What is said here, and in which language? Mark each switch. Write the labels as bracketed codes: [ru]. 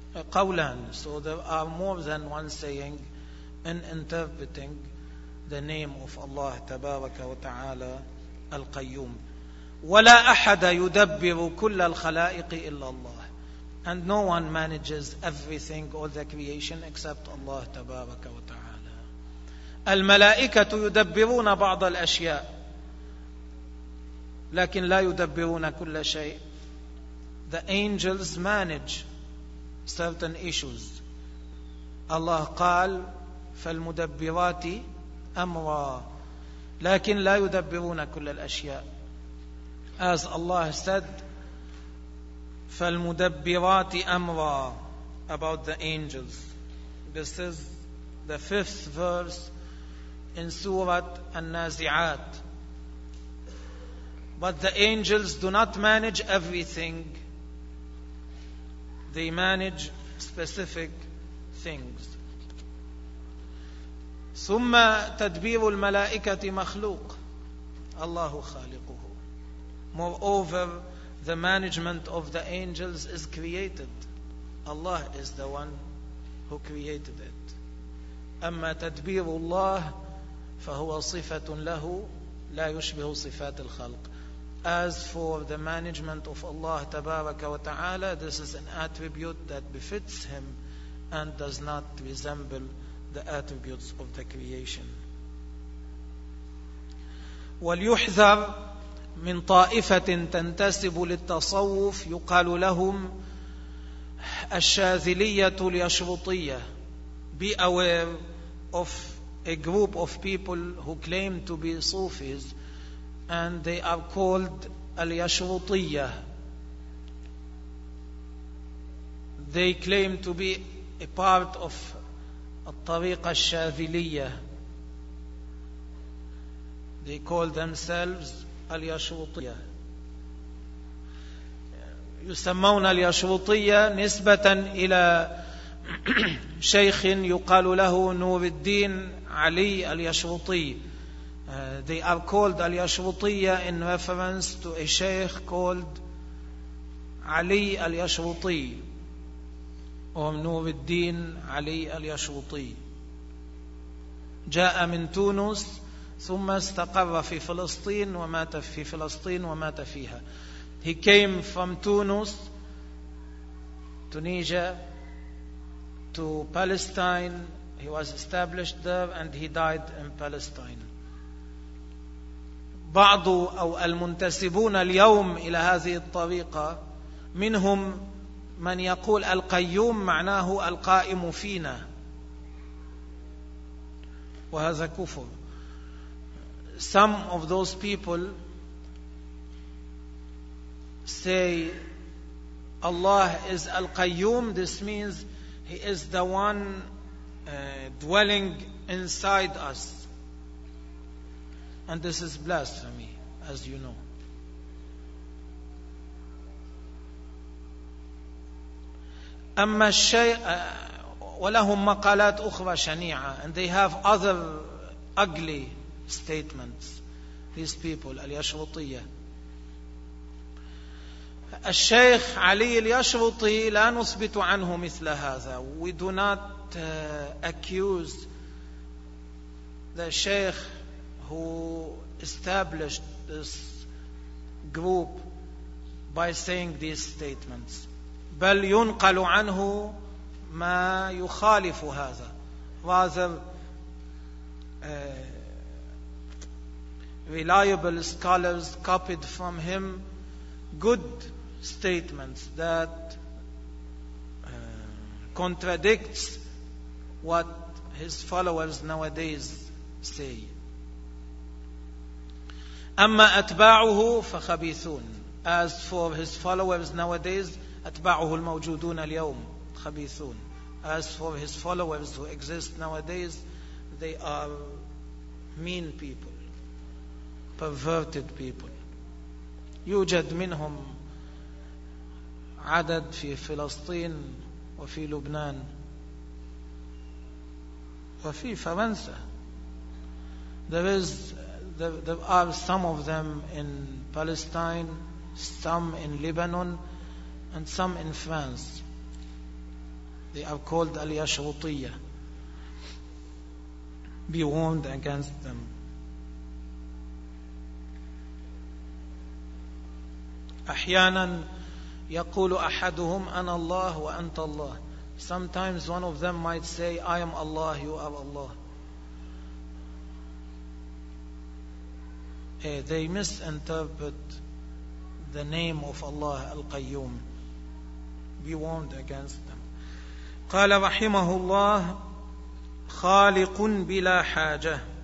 [ar] قولان. [en] So there are more than one saying in interpreting the name of Allah [ar] تبارك وتعالى القيوم. ولا أحد يدبر كل الخلائق إلا الله. [en] And no one manages everything, all the creation, except Allah [ar] تبارك وتعالى. الملائكة يدبرون بعض الأشياء لكن لا يدبرون كل شيء. [en] The angels manage certain issues. [ar] الله قال فالمدبرات أمرا لكن لا يدبرون كل الأشياء. [en] As Allah said [ar] فالمدبرات أمرا, [en] about the angels. This is the fifth verse in Surah An-Nazi'at. But the angels do not manage everything. They manage specific things. [ar] ثم تدبير الملائكة مخلوق. الله خالقه. [en] Moreover, the management of the angels is created. Allah is the one who created it. [ar] أما تدبير الله فهو صفة له لا يشبه صفات الخلق. [en] As for the management of Allah [ar] تبارك وتعالى, [en] this is an attribute that befits him and does not resemble the attributes of the creation. [ar] وليحذر من طائفة تنتسب للتصوف يقال لهم الشاذلية اليشرطية. [en] Be aware of a group of people who claim to be Sufis, and they are called Al-Yashrutiyya. They claim to be a part of Al-Tariqa Al-Shaziliyya. They call themselves Al-Yashrutiyya. [ar] يسمون Al-Yashrutiyya نسبة إلى شيخ يقال له نور الدين علي اليشرطي. [en] They are called اليشرطيه in reference to a sheikh called علي اليشرطي or نور الدين علي اليشرطي. [ar] جاء من تونس ثم استقر في فلسطين ومات في فلسطين ومات فيها. [en] He came from Tunis, Tunisia, to Palestine. He was established there and he died in Palestine. [ar] بعض أو المنتسبون اليوم إلى هذه الطريقة منهم من يقول القيوم معناه القائم فينا، وهذا كفر. [en] Some of those people say Allah is al-Qayyum. This means He is the one dwelling inside us. And this is blasphemy, as you know. [ar] أما الشيء ولهم مقالات أخرى شنيعة. [en] And they have other ugly statements, these people, اليشرطية. [ar] الشيخ علي اليشرطي لا نثبت عنه مثل هذا. [en] We do not accuse the sheikh who established this group by saying these statements. [ar] بل ينقل عنه ما يخالف هذا. [en] Rather, reliable scholars copied from him good statements that contradicts what his followers nowadays say. [ar] أما أتباعه فخبيثون. [en] As for his followers nowadays, [ar] أتباعه الموجودون اليوم خبيثون. [en] As for his followers who exist nowadays, they are mean people, perverted people. يوجد منهم عدد في فلسطين وفي لبنان وفي فرنسا. There are some of them in Palestine, some in Lebanon, and some in France. They are called al-Yashrutiyya. Be warned against them. [ar] أحياناً يقول أحدهم أنا الله وأنت الله. [en] Sometimes one of them might say, I am Allah, you are Allah. They misinterpret the name of Allah, Al-Qayyum. Be warned against them. [ar] قال رحمه الله خالق بلا حاجة.